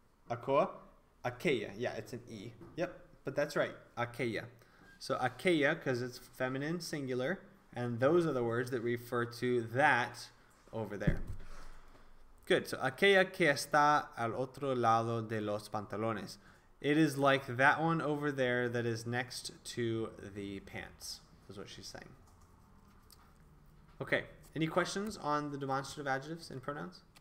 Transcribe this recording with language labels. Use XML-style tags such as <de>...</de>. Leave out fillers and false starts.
<en>Aqua, aquella, yeah, it's an E. Yep, but that's right, aquella. So aquella, because it's feminine, singular, and those are the words that refer to that over there. Good, so</en> <es>aquella que está al otro lado de los pantalones.</es> <en>It is like that one over there that is next to the pants, is what she's saying. Okay, any questions on the demonstrative adjectives and pronouns?</en>